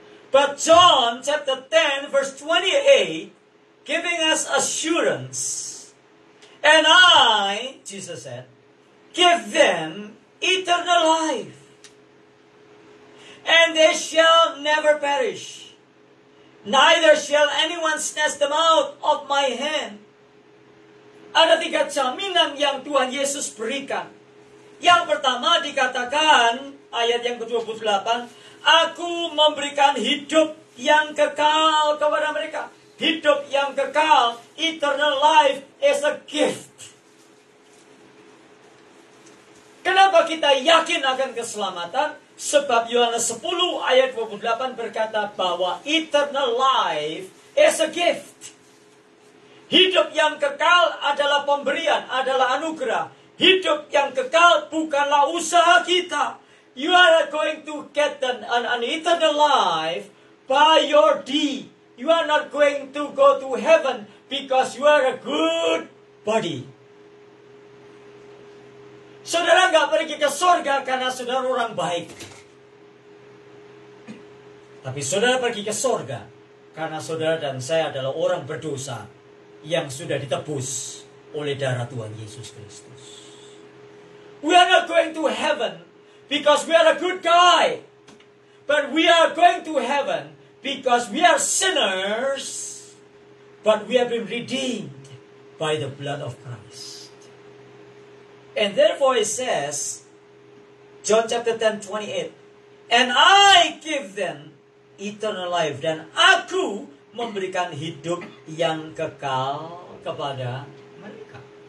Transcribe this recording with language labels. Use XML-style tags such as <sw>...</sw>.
<en>But John chapter 10 verse 28, giving us assurance. And I, Jesus said, give them eternal life, and they shall never perish, neither shall anyone snatch them out of my hand.</en> <id>Ada tiga jaminan yang Tuhan Yesus berikan. Yang pertama dikatakan, ayat yang ke-28, aku memberikan hidup yang kekal kepada mereka. Hidup yang kekal,</id> <en>eternal life is a gift.</en> <id>Kenapa kita yakin akan keselamatan? Sebab Yohanes 10 ayat 28 berkata bahwa</id> <en>eternal life is a gift.</en> <id>Hidup yang kekal adalah pemberian, adalah anugerah. Hidup yang kekal bukanlah usaha kita.</id> <en>You are going to get an eternal life by your deed. You are not going to go to heaven because you are a good body.</en> <id>Saudara gak pergi ke surga karena saudara orang baik. Tapi saudara pergi ke surga karena saudara dan saya adalah orang berdosa yang sudah ditebus oleh darah Tuhan Yesus Kristus.</id> <en>We are not going to heaven because we are a good guy. But we are going to heaven because we are sinners, but we have been redeemed by the blood of Christ. And therefore it says, John chapter 10, 28, and I give them eternal life,</en> <id>dan aku memberikan hidup yang kekal kepada mereka.</id>